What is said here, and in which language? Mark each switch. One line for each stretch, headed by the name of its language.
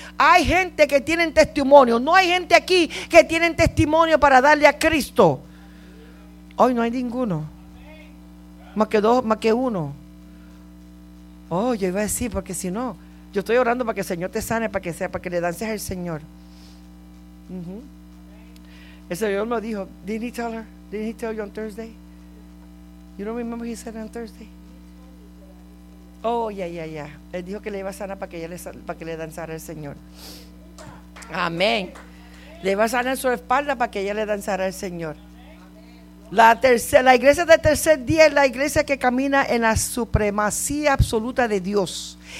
Spanish: Hay gente que tiene testimonio, no hay gente aquí que tiene testimonio para darle a Cristo. Hoy no hay ninguno, más que dos, más que uno. Oh, yo iba a decir, porque si no, yo estoy orando para que el Señor te sane, para que sea, para que le dances al Señor. El Señor me dijo,
English: didn't he tell you on Thursday? You don't remember what he said on Thursday? Oh, yeah.
Spanish: Él dijo que le iba a sanar para que le danzara al Señor. Amén. Le iba a sanar su espalda para que ella le danzara al Señor. La iglesia del tercer día es la iglesia que camina en la supremacía absoluta de Dios.